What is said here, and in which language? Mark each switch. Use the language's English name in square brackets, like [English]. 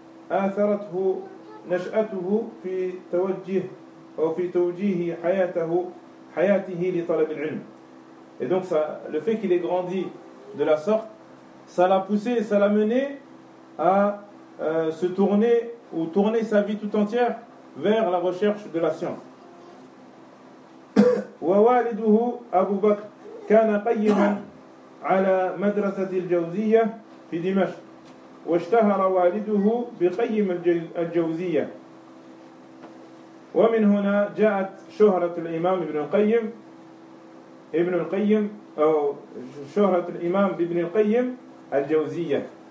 [Arabic] فأثرته نشأته في توجيه أو في توجيه حياته لطلب العلم. [French] Et donc ça, le fait qu'il ait grandi de la sorte, ça l'a poussé, ça l'a mené à se tourner ou tourner sa vie tout entière vers la recherche de la science. [Arabic] ووالده أبو بكر كان قيما على مدرسة الجوزية في دمشق واشتهر والده بقيم الجوزية ومن هنا جاءت شهرة الإمام ابن القيم أو شهرة الإمام ابن القيم الجوزية.